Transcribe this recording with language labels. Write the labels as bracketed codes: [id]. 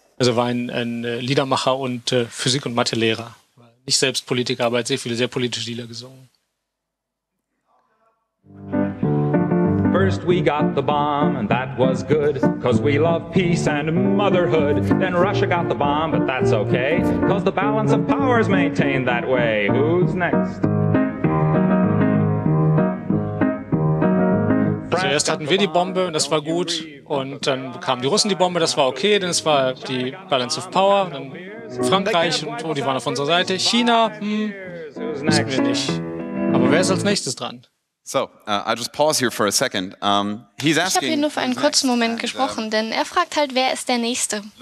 [de] Also war ein Liedermacher und Physik- und Mathelehrer. Nicht selbst Politiker, aber hat sehr viele sehr politische Lieder gesungen. [en] First we got the bomb and that was good, 'cause we love peace and motherhood. Then Russia got the bomb, but that's okay, 'cause the balance of power is maintained that way. Who's next? [de] Zuerst hatten wir die Bombe und das war gut. Und dann bekamen die Russen die Bombe, das war okay, denn es war die [en] Balance of Power. [de] Dann Frankreich und die waren auf unserer Seite. China, wissen wir nicht. Aber wer ist als nächstes dran? [en] So, I'll just pause here for a second. He's asking, [de] ich habe hier nur für einen kurzen Moment gesprochen, denn er fragt halt, wer ist der Nächste?